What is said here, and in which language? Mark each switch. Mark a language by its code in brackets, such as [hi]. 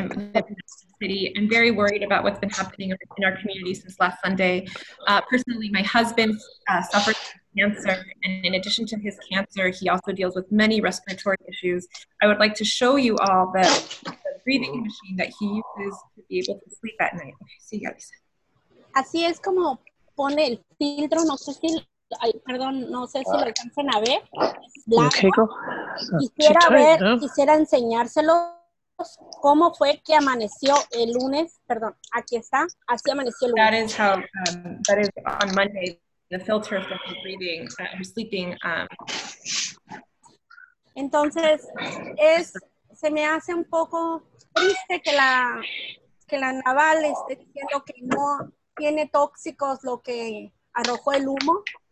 [en] I'm very worried about what's been happening in our community since last Sunday. Personally, my husband suffered cancer, and in addition to his cancer, he also deals with many respiratory issues. I would like to show you all the breathing machine that he uses to be able to sleep at night. [es] Sí, Alicia. Así es como pone el filtro, no sé si, perdón, no sé si lo alcanzan a ver. Quisiera enseñárselo. ¿Cómo fue que amaneció el lunes? Perdón, aquí está. Así amaneció el lunes. [en] That is how, that is on Monday, the filter for her breathing, her sleeping. [es] Entonces, se me hace un poco triste que la naval esté diciendo que no tiene tóxicos lo que arrojó el humo.